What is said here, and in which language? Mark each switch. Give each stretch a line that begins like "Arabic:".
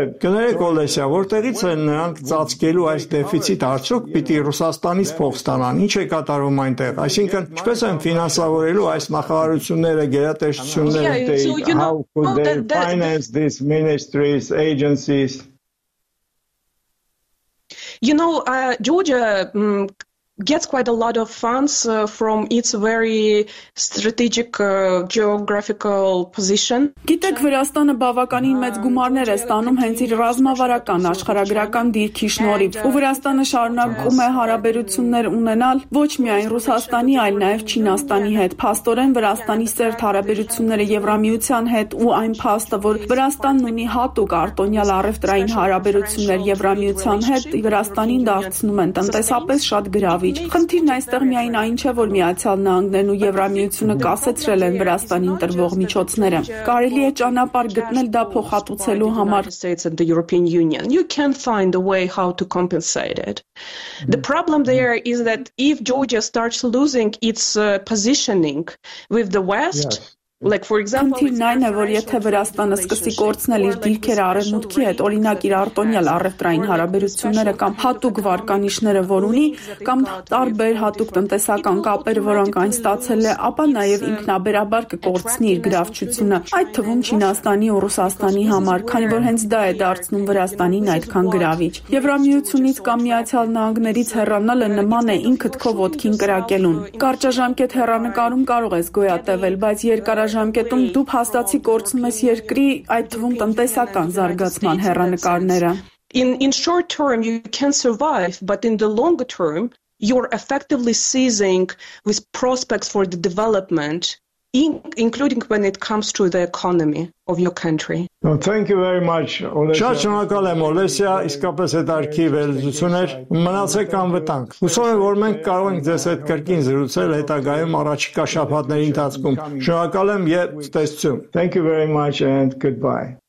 Armenian: Կներեք Օլեսիա, որտեղից են նրանք ծածկելու այս դեֆիցիտ, արդյոք պիտի Ռուսաստանից փող ստանան, ինչ է կատարվում այնտեղ, այսինքն ինչպես են ֆինանսավորելու այս նախարարությունները, գերատեսչությունները,
English: how could they finance these ministries, agencies? You know, Georgia gets quite a lot of funds from its very strategic geographical position.
Armenian: Գիտեք, Վրաստանը բավականին մեծ գումարներ է ստանում հենց իր ռազմավարական աշխարհագրական դիրքի շնորհիվ, ու Վրաստանը շարունակում է հարաբերություններ ունենալ ոչ միայն Ռուսաստանի, այլ նաև Չինաստանի հետ։ Փաստորեն Վրաստանի սերտ հարաբերությունները Եվրամիության հետ ու այն փաստը, որ Վրաստանն ունի հատուկ արտոնյալ առևտրային հարաբերություններ Եվրամիության հետ, Վրաստանին դարձնում են տնտեսապես շատ գրավ։ Խնդիրն այստեղ միայն այն չէ, որ Միացյալ Նահանգներն ու Եվրամիությունը կասեցրել են Վրաստանին տրվող միջոցները, կարելի է ճանապարհ գտնել դա փոխհատուցելու համար.
English: You can find a way how to compensate it. The problem there is that if Georgia starts losing its positioning with the West, like for example,
Armenian: նայն է, որ եթե Վրաստանը սկսի կորցնել իր դիրքերը արևմուտքի հետ, օրինակ իր արտոնյալ առևտրային հարաբերությունները կամ հատուկ վարկանիշները, որ ունի, կամ տարբեր հատուկ տնտեսական կապեր, որոնք այն ստացել է, ապա նաև ինքնաբերաբար կկորցնի իր գրավչությունը, այդ թվում Չինաստանի ու Ռուսաստանի համար, քանի որ հենց դա է դարձնում Վրաստանին այդքան գրավիչ։ Եվրամիությունից կամ Միացյալ Նահանգներից հեռանալը նման է ինքդ քո ոտքին կրակելուն։ Կարճաժամկետ հեռանկարում կարող ես գոյատևել, բայց երկար առաջամկետում դու փաստացի կորցնում ես երկրի, այդ թվում տնտեսական զարգացման հեռանկարները։
English: In short term you can survive, but in the longer term you're effectively ceasing with prospects for the development, including when it comes to the economy of your country. No, thank you very much, Olesya.
Armenian: Շատ շնորհակալ եմ, Օլեսիա, իսկապես հետաքրքիր վերլուծություններ, մնացեք անվտանգ։ Հուսով եմ, որ մենք կարող ենք ձեզ հետ կրկին զրուցել հետագայում առաջիկա շաբաթների ընթացքում։ Շնորհակալ եմ եւ տեսություն։
English: Thank you very much and goodbye.